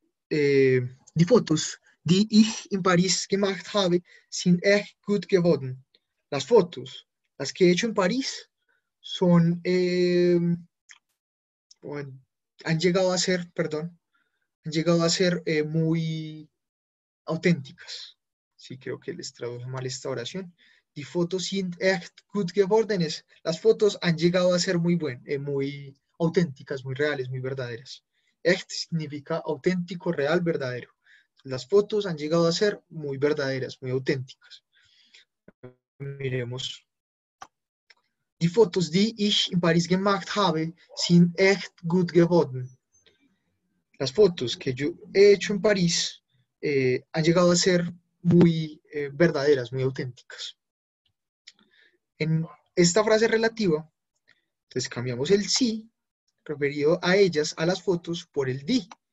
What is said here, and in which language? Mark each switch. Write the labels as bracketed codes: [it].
[de] Die Fotos, die ich in Paris gemacht habe, sind echt gut geworden. [es] Las fotos, las que he hecho en París, son, han llegado a ser, perdón, han llegado a ser muy auténticas. Sí, creo que les traduje mal esta oración. [de] Die Fotos sind echt gut geworden. [es] Las fotos han llegado a ser muy buenas, muy auténticas, muy reales, muy verdaderas. Echt significa auténtico, real, verdadero. Las fotos han llegado a ser muy verdaderas, muy auténticas. Miremos. [de] Die Fotos, die ich in Paris gemacht habe, sind echt gut geworden. [es] Las fotos que yo he hecho en París han llegado a ser muy verdaderas, muy auténticas. En esta frase relativa, entonces cambiamos el sí referido a ellas, a las fotos, por el die.